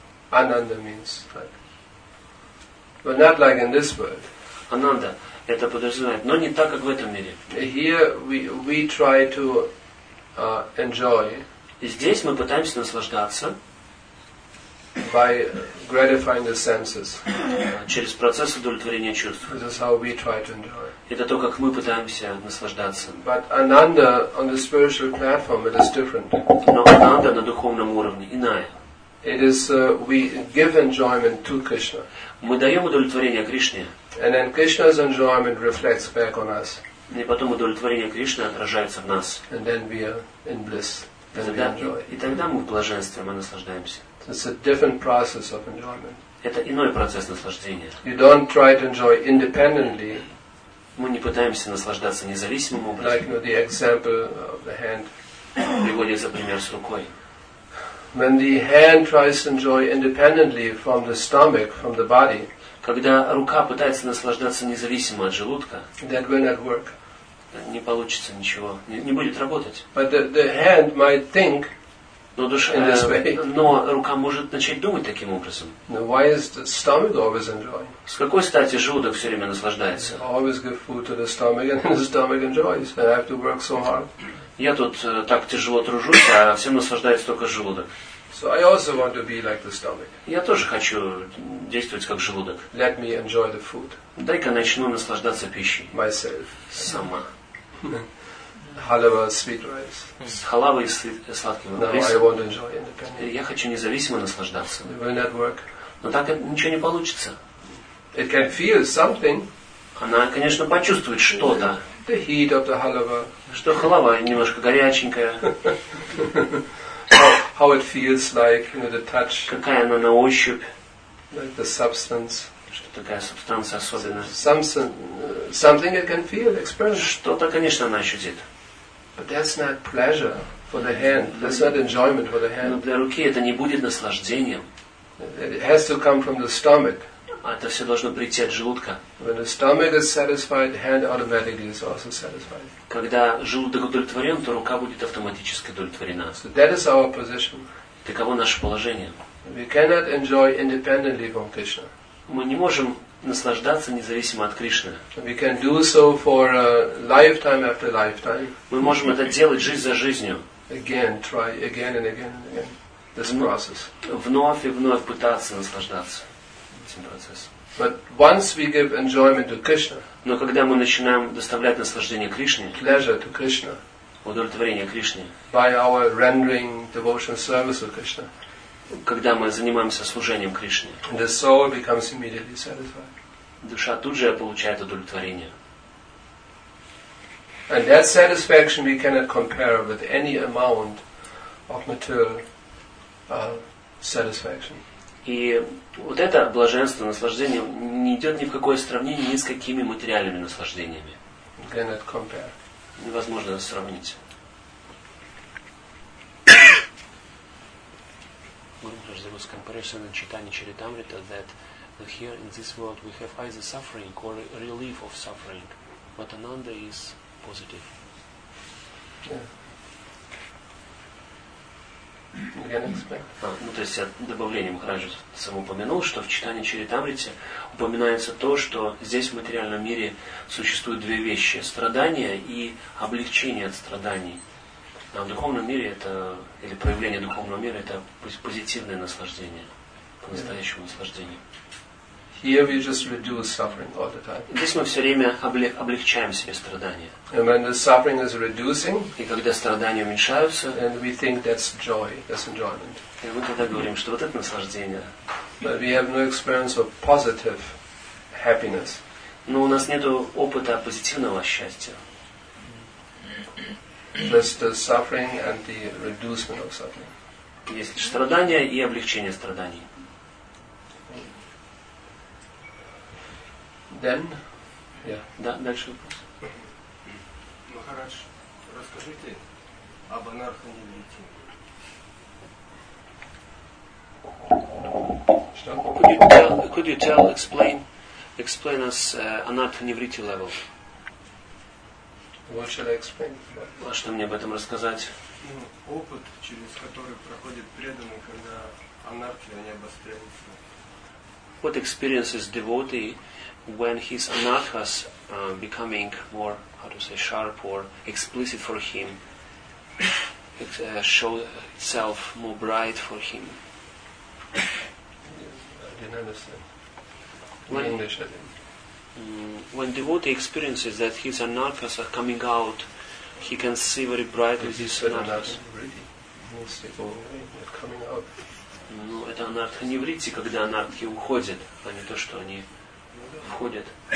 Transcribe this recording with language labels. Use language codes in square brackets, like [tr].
[en] Ананда means like, but not like in this world. [ru] Ананда. Это подразумевает, но не так, как в этом мире. [en] Here we try to enjoy. [ru] Здесь мы пытаемся наслаждаться [en] by gratifying the senses. [ru] Через процесс удовлетворения чувств. [en] This is how we try to enjoy. [ru] Это то, как мы пытаемся наслаждаться. [en] But ananda on the spiritual platform it is different. [ru] Но ананда на духовном уровне иная. [en] It is we give enjoyment to Krishna. [ru] Мы даем удовлетворение Кришне. [en] And then Krishna's enjoyment reflects back on us. [ru] И потом удовлетворение Кришны отражается в нас. [en] And then we are in bliss. [ru] И тогда мы в блаженстве, мы наслаждаемся. [en] It's a different process of enjoyment. [ru] Это иной процесс наслаждения. [en] You don't try to enjoy independently. [ru] Мы не пытаемся наслаждаться независимым образом. [en] Like, you know, the example of the hand. [ru] Приводится пример с рукой. [en] When the hand tries to enjoy independently from the stomach, from the body. [ru] Когда рука пытается наслаждаться независимо от желудка, [en] that will not work. [ru] Не получится ничего, не будет работать. [en] But the hand might think. [ru] Но душа, [en] in this way. [ru] Но рука может начать думать таким образом. [en] Now, why is the stomach always enjoying? [ru] С какой стати желудок все время наслаждается? [en] I always give food to the stomach, and the stomach enjoys. And I have to work so hard. [ru] Я тут так тяжело тружусь, а всем наслаждается только желудок. [en] So I also want to be like the stomach. [ru] Я тоже хочу действовать как желудок. [en] Let me enjoy the food. [ru] Дай-ка начну наслаждаться пищей. [en] Myself. [ru] Сама. [en] Halava sweet rice. [ru] С халавой и сладким рисом. [en] No, I want to enjoy independently. [ru] Я хочу независимо наслаждаться. [en] It will not work. [ru] Но так ничего не получится. [en] It can feel something. [ru] Она, конечно, почувствует что-то. [en] The heat of the halava. [ru] Что халава немножко горяченькая. [en] How it feels like, you know, the touch. [ru] Какая она на ощупь. [en] Like the substance. [ru] Что такая субстанция особенная. [en] Something it can feel, experience. [ru] Что-то, конечно, она ощутит. [en] But that's not pleasure for the hand. That's not enjoyment for the hand. [ru] Но для руки это не будет наслаждением. [en] It has to come from the stomach. [ru] А это все должно прийти от желудка. [en] When the stomach is satisfied, hand automatically is also satisfied. [ru] Когда желудок удовлетворен, то рука будет автоматически удовлетворена. [en] So that is our position. [ru] Таково наше положение. [en] We cannot enjoy independently from Krishna. [ru] Мы не можем наслаждаться независимо от Кришны. [en] We can do so for a lifetime after lifetime. [ru] Мы можем это делать жизнь за жизнью. [en] Again, try again and again and again. This process. [ru] Вновь и вновь пытаться наслаждаться этим процессом. [en] But once we give enjoyment to Krishna, [ru] но когда мы начинаем доставлять наслаждение Кришне, [en] pleasure to Krishna, [ru] удовлетворение Кришне, [en] by our rendering devotional service to Krishna, [ru] когда мы занимаемся служением Кришне, [en] the soul becomes immediately satisfied. [ru] Душа тут же получает удовлетворение. [en] And that satisfaction we cannot compare with any amount of material satisfaction. [ru] И вот это блаженство, наслаждение не идет ни в какое сравнение ни с какими материальными наслаждениями. [en] Cannot compare. [ru] Невозможно сравнить. [en] Gurudev, there was comparison in Chaitanya Charitamrita that here in this world we have either suffering or relief of suffering, but Ananda is positive. [ru] Ну, то есть, я добавлением Махараджа сам упомянул, что в Чайтанья Чаритамрите упоминается то, что здесь в материальном мире существуют две вещи – страдания и облегчение от страданий. А в духовном мире это, или проявление духовного мира – это позитивное наслаждение, по-настоящему наслаждение. [en] Here we just reduce suffering all the time. [ru] Здесь мы все время облегчаем себе страдания. [en] And when the suffering is reducing, [ru] и когда страдания уменьшаются, [en] and we think that's joy, that's enjoyment. [ru] И мы тогда говорим, что вот это наслаждение. [en] But we have no experience of positive happiness. [ru] Но у нас нету опыта позитивного счастья. [en] Just the suffering and the reducement of suffering. [ru] Есть страдания и облегчение страданий. [en] Then, yeah. [ru] Да, дальше вопрос. Махарадж, расскажите об анарха-невритти. Что? [en] Could you explain us анарха-невритти level? What should I explain? [ru] А что мне об этом рассказать? Ну, опыт, через который проходит преданный, когда анархи они обостряются. [en] What experiences devotee when his anarthas becoming more, how to say, sharp or explicit for him, show itself more bright for him? I didn't understand. In English, I didn't. When devotee experiences that his anarthas are coming out, he can see very brightly his anarthas. Really, mystical, coming out. [ru] Ну, это анартха невритти, когда анартхи уходят, а не то, что они входят.